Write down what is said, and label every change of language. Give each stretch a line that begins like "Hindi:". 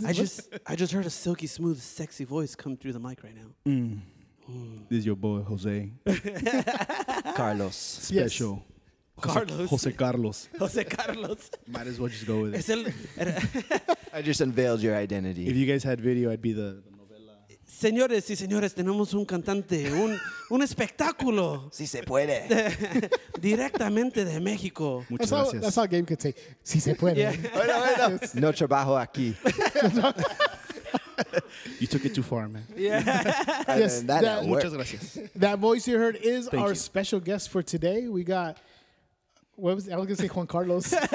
English: the, I just heard a silky smooth, sexy voice come through the mic right now. Mm. This is your boy, Jose. Carlos. Special. Yes. Carlos. Jose Carlos. Jose Carlos. Might as well just go with it. I just unveiled your identity. If you guys had video, I'd be the novella.
Spanish: Señores y señores, tenemos un cantante, un espectáculo. Si se puede. Directamente de México. Muchas gracias.
English: That's all Gabe could say.
Spanish: Si se puede.
English: Yeah.
Spanish: Bueno, bueno. No trabajo aquí.
English: You took it too far, man. Yeah. Yes. That
Spanish: muchas gracias.
English: That voice you heard is Thank our you. Special guest for today. We got... What was I was going to say Juan Carlos.